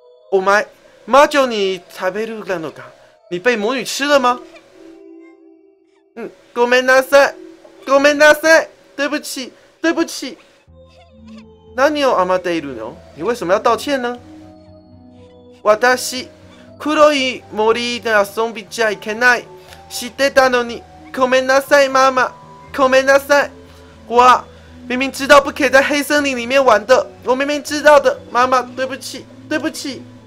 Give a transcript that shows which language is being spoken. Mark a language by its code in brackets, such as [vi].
[ja] お前、魔女に食べるなのか？ [zh] 你被魔女吃了吗？ [ja] ごめんなさい。ごめんなさい， [zh] 对不起，对不起。 [ja] 何を謝っているの？ [zh] 你为什么要道歉呢？ [ja] 私、黒い森で遊びちゃいけない。知ってたのに、ごめんなさい、ママ。ごめんなさい。 [zh] 我明明知道不可以在黑森林里面玩的，我明明知道的，妈妈，对不起，对不起。